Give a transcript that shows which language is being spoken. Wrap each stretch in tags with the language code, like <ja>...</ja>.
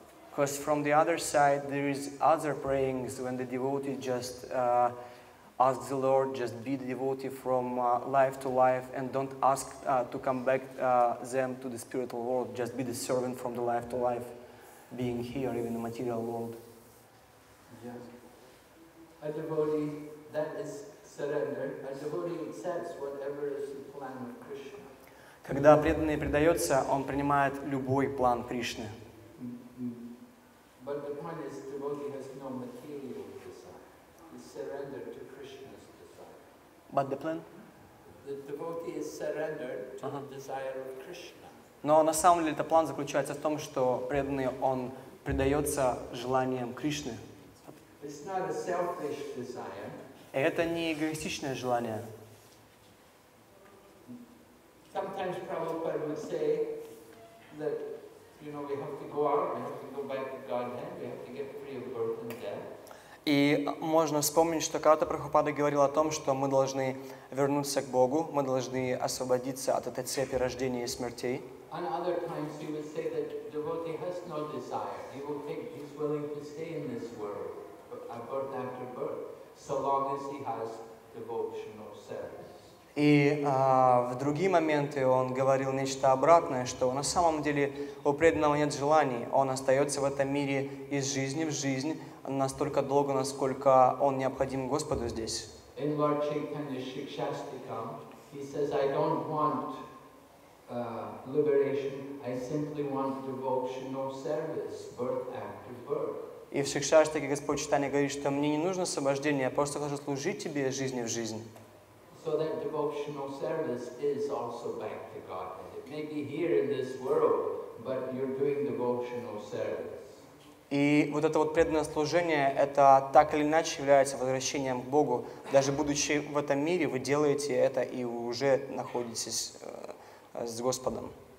<en>Because from the other side, there is other prayings when the devotee just ask the Lord, just be the devotee from life to life and don't ask to come back them to the spiritual world, just be the servant from the life to life, being here in the material world. Yes. A devotee, that is surrender. A devotee accepts whatever is the plan of Krishna.</en> <ru>Когда преданный предается, он принимает любой план Кришны.</ru> <en>But the point is, devotee has no material desire. He's surrendered to Krishna's desire. But the plan? The devotee is surrendered to the desire of Krishna.</en> <ru>Но на самом деле этот план заключается в том, что преданный он предается желаниям Кришны.</ru> <en>It's not a selfish desire.</en> <ru>Это не эгоистичное желание.</ru> <en>Sometimes Prabhupada would say that. You know, we have to go out, we have to go back to Godhead, we have to get free of birth and death.</en> <ru>И можно вспомнить, что когда-то Прабхупада говорил о том, что мы должны вернуться к Богу, мы должны освободиться от этой цепи рождения и смертей.</ru> <en>And other times he would say that devotee has no desire. He will take, he's willing to stay in this world, birth after birth, so long as he has devotional service.</en> <ru>И в другие моменты он говорил нечто обратное, что на самом деле у преданного нет желаний. Он остается в этом мире из жизни в жизнь настолько долго, насколько он необходим Господу здесь.</ru> <en>In Lord Chaitanya Shikshastikam, he says, I don't want liberation, I simply want devotional service, birth after birth.</en> <ru>И в Шикшаштаке Господь Читания говорит, что мне не нужно освобождение, я просто хочу служить тебе жизни в жизнь.</ru> <en>So that devotional service is also back to God. It may be here in this world, but you're doing devotional service.</en> <ru>И вот это вот преданное служение, это так или иначе является возвращением к Богу. Даже будучи в этом мире, вы делаете это и уже находитесь с Господом.</ru>